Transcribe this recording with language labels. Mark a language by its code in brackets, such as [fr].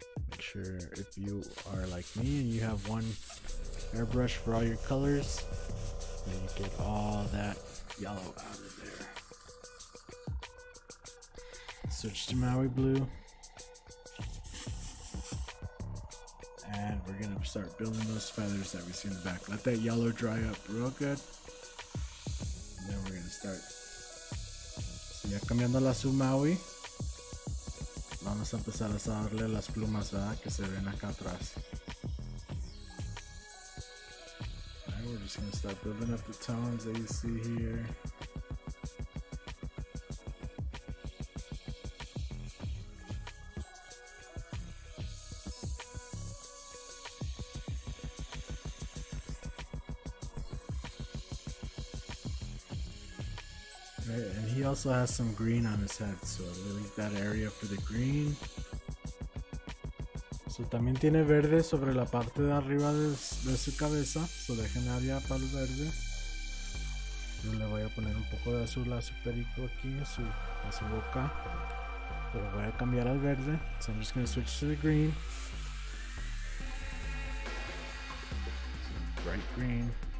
[en] Make sure if you are like me and you have one airbrush for all your colors, then you get all that yellow out. Switch to Maui blue, and we're gonna start building those feathers that we see in the back. Let that yellow dry up real good, and then we're gonna start. [es] So ya cambiando la azul Maui, vamos a empezar a darle las plumas, ¿verdad? Que se ven acá atrás. [en] And we're just gonna start building up the tones that you see here. He also has some green on his head, so I'll leave that area for the green. [es] So también tiene verde sobre la parte de arriba de su cabeza, so dejen área para el verde. Yo le voy a poner un poco de azul a su perico aquí, a su boca, pero voy a cambiar al verde. [en] So I'm just going to switch to the green. Some bright green.